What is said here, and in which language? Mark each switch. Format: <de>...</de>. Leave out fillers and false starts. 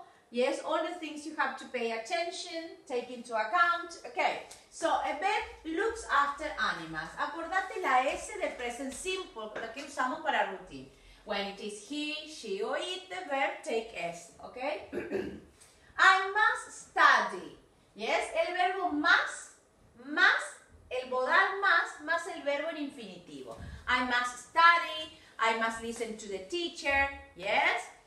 <en>Yes, all the things you have to pay attention, take into account. Okay, so a verb looks after animals.</en> <es>Acordate la S de present simple, la que usamos para routine.</es> <en>When it is he, she, or it, the verb take S, okay? I must study.</en> <es>Yes, el verbo más, el modal más el verbo en infinitivo.</es> <en>I must study, I must listen to the teacher, yes?</en>